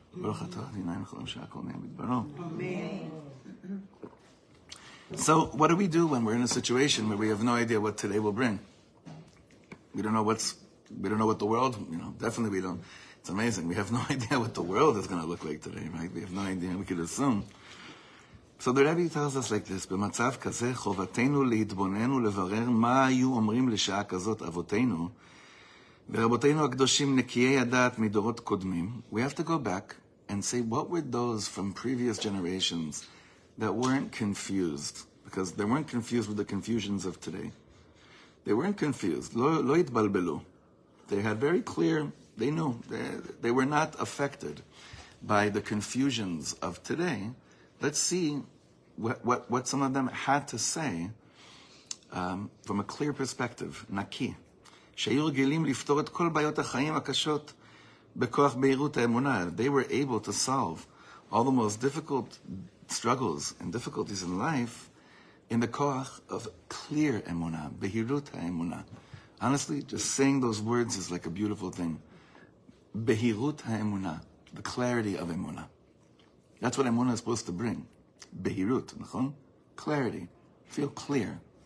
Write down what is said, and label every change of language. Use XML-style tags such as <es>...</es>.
<en>Mm-hmm. So what do we do when we're in a situation where we have no idea what today will bring? We don't know what's, we don't know what the world, you know, definitely we don't. It's amazing. We have no idea what the world is going to look like today, right? We have no idea. We could assume. So the Rebbe tells us like this,</en> <he>במצב כזה חובתנו להתבונן ולברר מה היו אומרים לשעה כזאת אבותינו ורבותינו הקדושים נקיי הדעת מדורות קודמים.</he> <en>We have to go back and say, what were those from previous generations that weren't confused? Because they weren't confused with the confusions of today. They weren't confused.</en> <he>לא התבלבלו.</he> <en>They had very clear, they knew. They were not affected by the confusions of today. Let's see what some of them had to say from a clear perspective. Naki.</en> <he>שהיו רגילים לפתור את כל בעיות החיים הקשות בכוח בהירות האמונה.</he> <en>They were able to solve all the most difficult struggles and difficulties in life in the koach of clear emuna,</en> <he>behirut ha-emuna.</he> <en>Honestly, just saying those words is like a beautiful thing.</en> <he>Behirut ha-emuna,</he> <en>the clarity of emuna. That's what emuna is supposed to bring. Behirut, nechon? Clarity. Feel clear.</en>